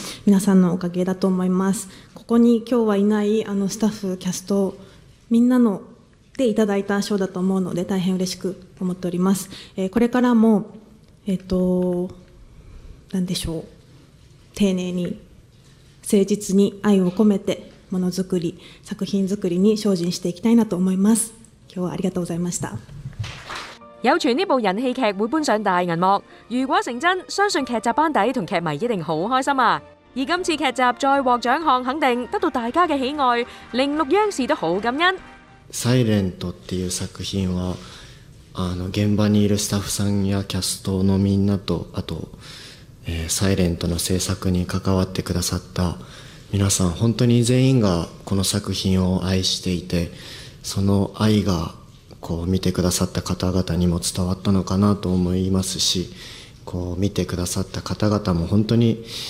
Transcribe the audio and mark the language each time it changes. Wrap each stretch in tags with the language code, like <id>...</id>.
<ja>皆さんのおかげだと思います。ここに今日はいないスタッフキャストみんなのでいただいた賞だと思うので大変嬉しく思っております。これからも何でしょう、丁寧に誠実に愛を込めてものづくり作品作りに精進していきたいなと思います。今日はありがとうございました。</ja> <yue>有传呢部人气剧会搬上大银幕，如果成真，相信剧集班底和剧迷一定好开心啊！而今次剧集再获奖项肯定得到大家的喜爱，铃木央视都好感恩。</yue> <ja>Silent っていう作品は現場にいるスタッフさんやキャストのみんなと、あとサイレントの制作に関わってくださった皆さん、本当に全員がこの作品を愛していて、その愛がこう見てくださった方々にも伝わったのかなと思いますし、こう見てくださった方々も本当に</ja>